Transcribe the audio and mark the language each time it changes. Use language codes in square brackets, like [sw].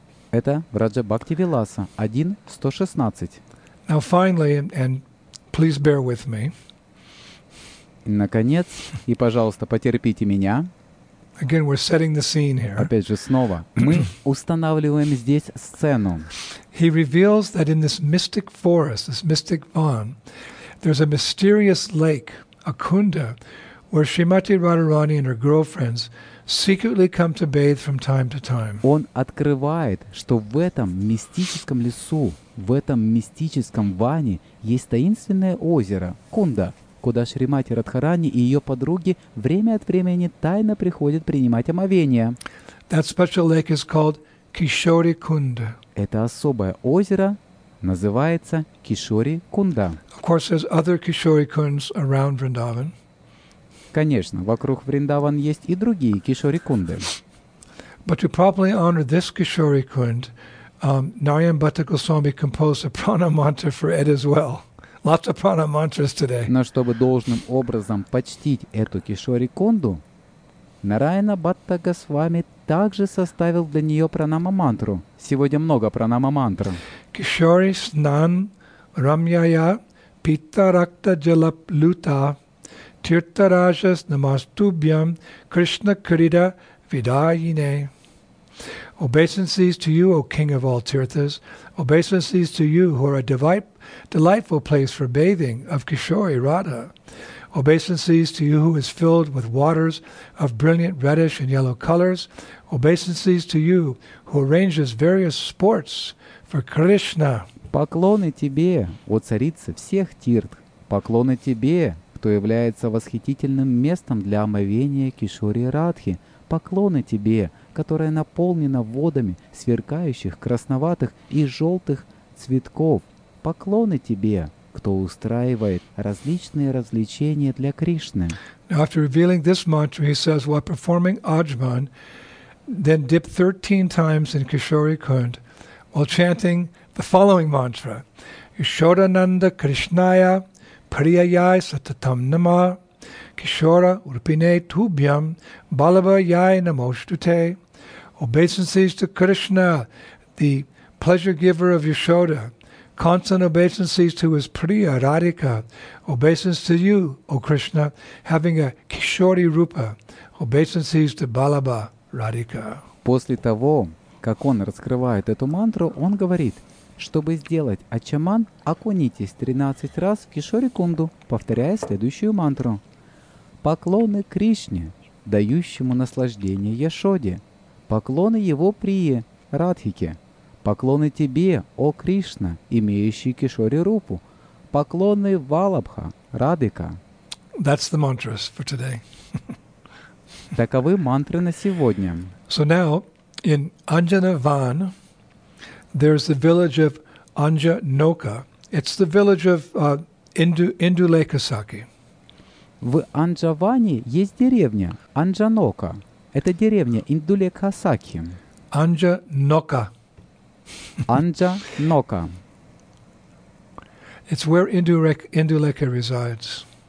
[ru] Это Braja Bhakti Vilasa 1116. [en] Now finally, and please bear with me. [ru] Наконец, и пожалуйста, потерпите меня. [en] Again, we're setting the scene here. [ru] Опять же, снова мы устанавливаем здесь сцену. [en] He reveals that in this mystic forest, this mystic vana, there's a mysterious lake, a kunda, where Shrimati Radharani and her girlfriends secretly come to bathe from time to time. [ru] Он открывает, что в этом мистическом лесу, в этом мистическом ване есть таинственное озеро Кунда, куда Шримати Радхарани и ее подруги время от времени тайно приходят принимать омовение. [en] That special lake is called Kishori Kunda. [ru] Это особое озеро называется Кишори Кунда. [en] Of course, there's other Kishori Kundas around Vrindavan. [ru] Конечно, вокруг Вриндаван есть и другие Кишори Кунды. [en] But to properly honor this Kishori Kund, Narayan Bhatta Goswami composed a prana mantra for it as well. Lots of prana mantras today. [ru] Но чтобы должным образом почтить эту Кишори Кунду, Нараяна Бхатта Госвами также составил для нее пранама-мантру. Сегодня много пранама-мантр. [sa] Кишори снан рамьяя питаракта джалаплута тиртаражас намастубьям Кришна крида видайине. [en] Obeisances to you, O King of all Tirthas. Obeisances to you, who are a delightful place for bathing of Kishori Radha. Obeisances to you, who is filled with waters of brilliant reddish and yellow colors. Obeisances to you, who arranges various sports for Krishna. [ru] Поклоны тебе, о царица всех тирт. Поклоны тебе, кто является восхитительным местом для омовения Кишори Радхи. Поклоны тебе, которая наполнена водами сверкающих красноватых и желтых цветков. Поклоны тебе, кто устраивает различные развлечения для Кришны. [en] After revealing this mantra, he says, while performing ajman, then dip 13 times in Kishori Kund, while chanting the following mantra: [sa] Yashodananda Krishnaya Priyayai Satatam Nama Kishora Urpine Tubhyam Balavayai Namoshtute. [en] Obeisances to Krishna, the pleasure giver of Yashoda. Constant obeisances to his Priya Radhika. Obeisances to you, O Krishna, having a Kishori Rupa. Obeisances to Balaba Radhika. [ru] После того, как он раскрывает эту мантру, он говорит, чтобы сделать ачаман, окунитесь 13 раз в Кишори Кунду, повторяя следующую мантру. Поклоны Кришне, дающему наслаждение Яшоде. Поклоны его Прие Радхике. Поклоны тебе, о Кришна, имеющий Кишори Рупу. Поклоны Валабха Радика. [en] That's the mantras for today. [ru] Таковы мантры на сегодня. [en] So now, in Anjanavan, there's the village of Anjanoka. It's the village of Indulekasaki. [ru] В Анджаване есть деревня Анджанока. Это деревня Индулекхасаки. Анджа Нока. Анджа Нока. [en] It's where Indulekha resides.